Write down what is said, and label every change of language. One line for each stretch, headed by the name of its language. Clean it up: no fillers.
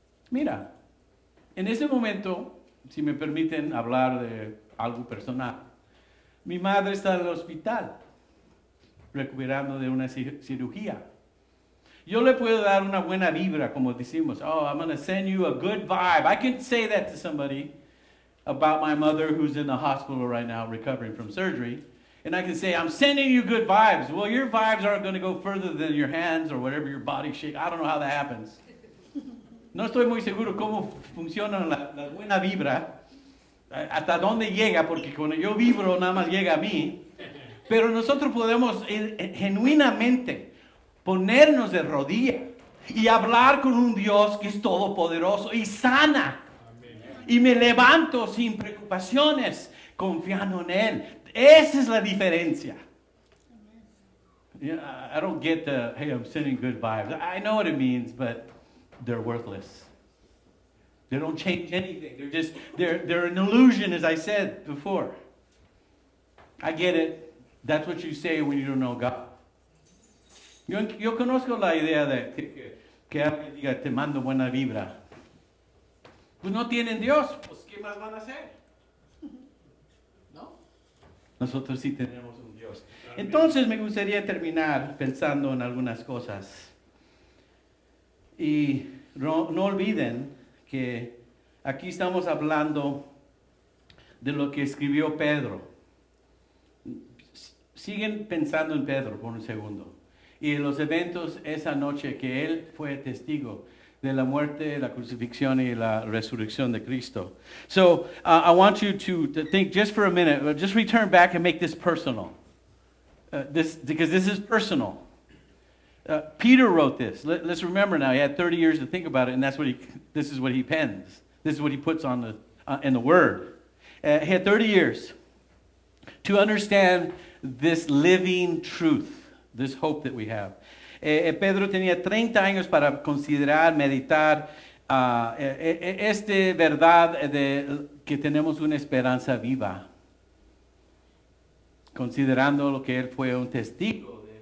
Spanish: Mira, en ese momento, si me permiten hablar de algo personal. Mi madre está en el hospital, recuperando de una cirugía. Yo le puedo dar una buena vibra, como decimos.
English: Oh, I'm going to send you a good vibe. I can say that to somebody about my mother who's in the hospital right now recovering from surgery. And I can say, I'm sending you good vibes. Well, your vibes aren't going to go further than your hands or whatever your body shake. I don't know how that happens.
Spanish: No estoy muy seguro cómo funciona la buena vibra. Hasta dónde llega, porque cuando yo vibro nada más llega a mí. Pero nosotros podemos genuinamente ponernos de rodilla y hablar con un Dios que es todopoderoso y sana. Amén. Y me levanto sin preocupaciones, confiando en Él. Esa es la diferencia.
English: Yeah, I don't get the, hey, I'm sending good vibes. I know what it means, but they're worthless. They don't change anything. They're an illusion, as I said before. I get it. That's what you say when you don't know God.
Spanish: Yo conozco la idea de que alguien diga, te mando buena vibra. Pues no tienen Dios. Pues, ¿qué más van a hacer? ¿No? Nosotros sí tenemos un Dios. Entonces, me gustaría terminar pensando en algunas cosas. Y no olviden que aquí estamos hablando de lo que escribió Pedro. Siguen pensando en Pedro por un segundo. Y en los eventos esa noche que él fue testigo de la muerte, la crucifixión y la resurrección de Cristo.
English: So, I want you to think just for a minute, just return back and make this personal. Because this is personal. Peter wrote this. Let's remember now. He had 30 years to think about it, and this is what he pens. This is what he puts on the in the Word. He had 30 years to understand this living truth, this hope that we have.
Spanish: Pedro tenía 30 años para considerar, meditar esta verdad de que tenemos una esperanza viva, considerando lo que él fue un testigo.